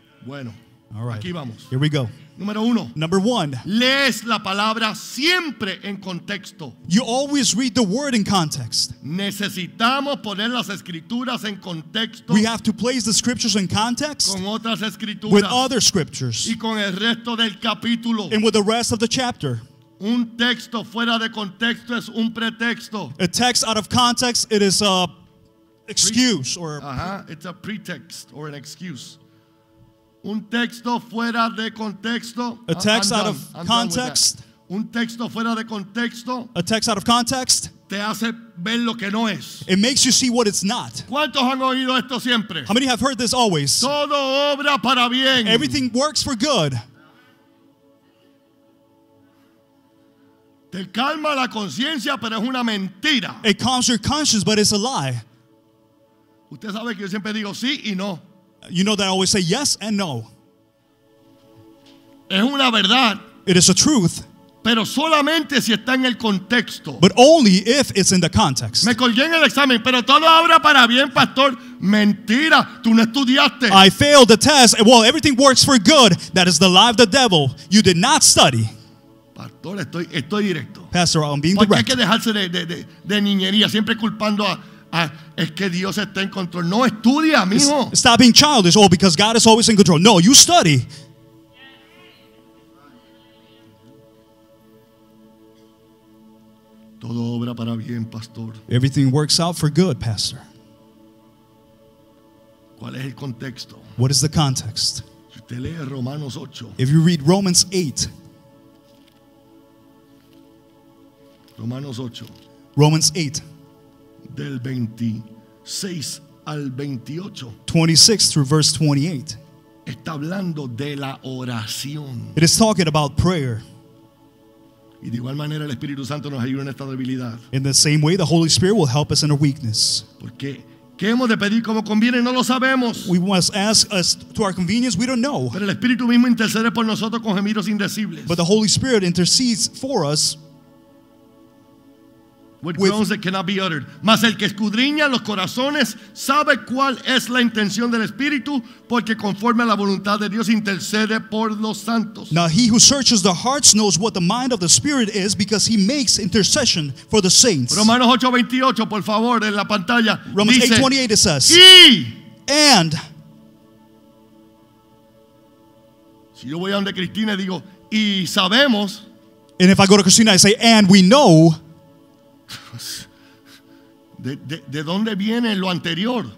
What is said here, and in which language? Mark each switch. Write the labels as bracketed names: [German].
[Spanish] Bueno. [English] All right. [Spanish] Aquí vamos. [English] Here we go. [Spanish] Número uno. [English] Number one. [Spanish] Lees la palabra siempre en contexto. [English] You always read the word in context. [Spanish] Necesitamos poner las escrituras en contexto. [English] We have to place the scriptures in context. [Spanish] Con otras escrituras. [English] With other scriptures. [Spanish] Y con el resto del capítulo. [English] And with the rest of the chapter. [Spanish] Un texto fuera de contexto es un pretexto. [English] A text out of context, it is a excuse or. It's a pretext or an excuse. [Spanish] Un texto fuera de contexto. [English] A text out of context. [Spanish] Un texto fuera de contexto. [English] A text out of context. [Spanish] Te hace ver lo que no es. [English] It makes you see what it's not. [Spanish] ¿Cuántos han oído esto siempre? [English] How many have heard this always? [Spanish] Todo obra para bien. [English] Everything works for good. [Spanish] Te calma la conciencia, pero es una mentira. [English] It calms your conscience, but it's a lie. [Spanish] Usted sabe que yo siempre digo sí y no. [English] You know that I always say yes and no. [Spanish] Es una verdad. [English] It is a truth. [Spanish] Pero solamente si está en el contexto. [English] But only if it's in the context. [Spanish] Me colgué en el examen, pero todo obra para bien, pastor. Mentira, tú no estudiaste. [English] I failed the test. Well, everything works for good. That is the lie of the devil. You did not study. [Spanish] Pastor, estoy directo. [English] Pastor, I'm being direct. [Spanish] Hay que dejarse de niñería, siempre culpando a. Es que Dios está en control. No estudia, mijo. [English] Stop being childish. Oh, because God is always in control. No, you study. [Spanish] Todo obra para bien, pastor. [English] Everything works out for good, pastor. [Spanish] ¿Cuál es el contexto? [English] What is the context? [Spanish] Si usted lee Romanos 8. [English] If you read Romans 8. [Spanish] Romanos 8. [English] Romans 8. [Spanish] Del 26 al 28. [English] 26 through verse 28. [Spanish] Está hablando de la oración. [English] It is talking about prayer. [Spanish] Y de igual manera el Espíritu Santo nos ayuda en esta debilidad. [English] In the same way, the Holy Spirit will help us in our weakness. [Spanish] Porque qué hemos de pedir como conviene, no lo sabemos. [English] We must ask us to our convenience, we don't know. [Spanish] Pero el Espíritu mismo intercede por nosotros con gemidos indecibles. [English] But the Holy Spirit intercedes for us. With groans that cannot be uttered. [Spanish] Mas el que escudriña los corazones sabe cuál es la intención del Espíritu, porque conforme a la voluntad de Dios intercede por los santos. [English] Now he who searches the hearts knows what the mind of the Spirit is, because he makes intercession for the saints. [Spanish] Romanos 8:28, por favor, en la pantalla. [English] Romans [Spanish] dice, [English] 8:28 it says. [Spanish] Y [English] and [Spanish] si yo voy a donde Cristina digo y sabemos. [English] And if I go to Christina, I say and we know. [Spanish] ¿De dónde viene lo anterior?